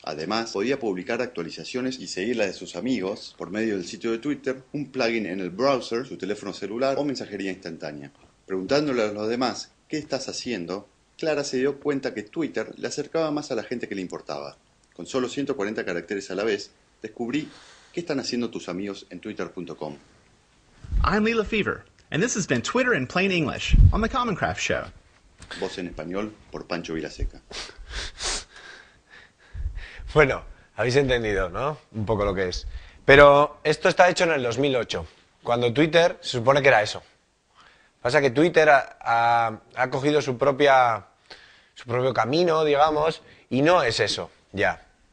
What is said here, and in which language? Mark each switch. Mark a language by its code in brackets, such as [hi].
[es] Además, podía publicar actualizaciones y seguir las de sus amigos por medio del sitio de Twitter, un plugin en el browser, su teléfono celular o mensajería instantánea. Preguntándole a los demás, ¿qué estás haciendo? Clara se dio cuenta que Twitter le acercaba más a la gente que le importaba. Con solo 140 caracteres a la vez, descubrí qué están haciendo tus amigos en twitter.com. [en] I'm Lee Lefevre, and this has been Twitter in Plain English on the Common Craft Show. [es] Voz en español por Pancho Vilaseca. Bueno, habéis entendido, ¿no? Un poco lo que es. Pero esto está hecho en el 2008, cuando Twitter se supone que era eso. Pasa que Twitter ha cogido su propio camino, digamos, y no es eso, ya.